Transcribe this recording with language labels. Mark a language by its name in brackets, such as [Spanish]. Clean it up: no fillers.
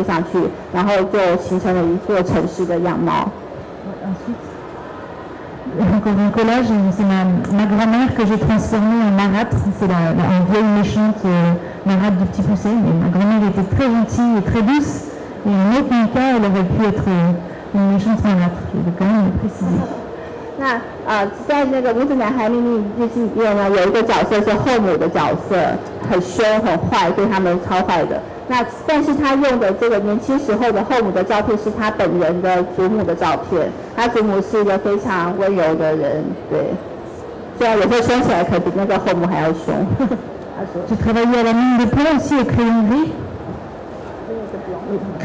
[Chinese] 像比方说呢，这张上面所运用到的技巧就是剪和贴，它其实没有画任何东西，全部都是它找一些图片，然后剪起来，然后再贴上去，然后就形成了一个城市的样貌。 [French] Encore un collage, c'est ma grand-mère que j'ai transformée en marâtre. C'est une vieille méchante marâtre du petit poussin. Mais ma grand-mère était très gentille et très douce. Et en aucun cas, elle aurait pu être une méchante marâtre. Je vais quand même le préciser. [Chinese] 那在那个《无子男孩》里面，就是有一个角色是后母的角色，很凶很坏，对他们超坏的。那但是他用的这个年轻时候的后母的照片，是他本人的祖母的照片。他祖母是一个非常温柔的人，对。虽然有时候凶起来，可能比那个后母还要凶。 [French] Je travaillais à la mine de plomb aussi, au crayon gris.